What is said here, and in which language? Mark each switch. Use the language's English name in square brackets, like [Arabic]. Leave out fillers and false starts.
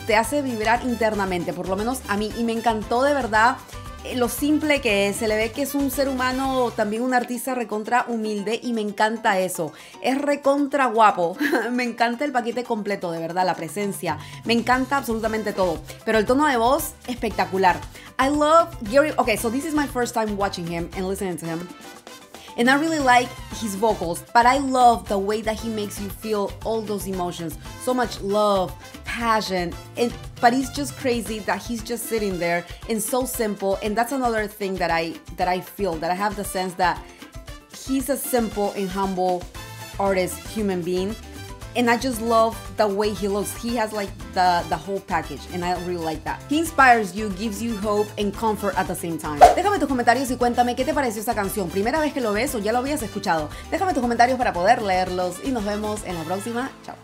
[Spanish] Te hace vibrar internamente, por lo menos a mí. Y me encantó de verdad lo simple que es, se le ve que es un ser humano, también un artista recontra humilde y me encanta eso. Es recontra guapo, me encanta el paquete completo, de verdad, la presencia. Me encanta absolutamente todo, pero el tono de voz, espectacular. [English] I love Gary, okay, so this is my first time watching him and listening to him. And I really like his vocals, but I love the way that he makes you feel all those emotions. So much love, passion, and but he's just crazy that he's just sitting there and so simple. And that's another thing that I feel, that I have the sense that he's a simple and humble artist, human being. And I just love the way he looks. He has like the whole package, and I really like that. He inspires you, gives you hope and comfort at the same time. [Spanish] Déjame tus comentarios y cuéntame qué te pareció esa canción. ¿Primera vez que lo ves o ya lo habías escuchado? Déjame tus comentarios para poder leerlos y nos vemos en la próxima. Chao.